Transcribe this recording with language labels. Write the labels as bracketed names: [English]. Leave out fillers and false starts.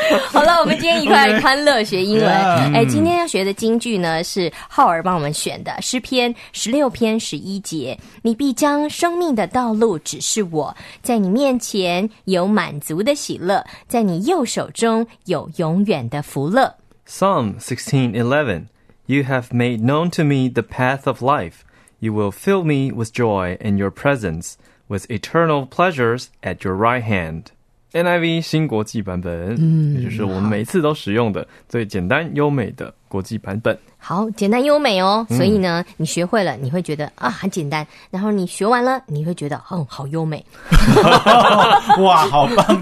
[Chinese] 好了，我们今天一块欢乐学英文。哎，今天要学的金句呢，是浩儿帮我们选的诗篇16:11。你必将生命的道路指示我，在你面前有满足的喜乐，在你右手中有永远的福乐。 [English] Psalm 16:11 You have made known to me the path of life. You will fill me with joy in your presence, with eternal pleasures at your right hand. [Chinese] NIV 新国际版本，也就是我们每次都使用的最简单优美的国际版本。好，简单优美哦，所以呢，你学会了，你会觉得啊很简单，然后你学完了，你会觉得嗯好优美。哇，好棒，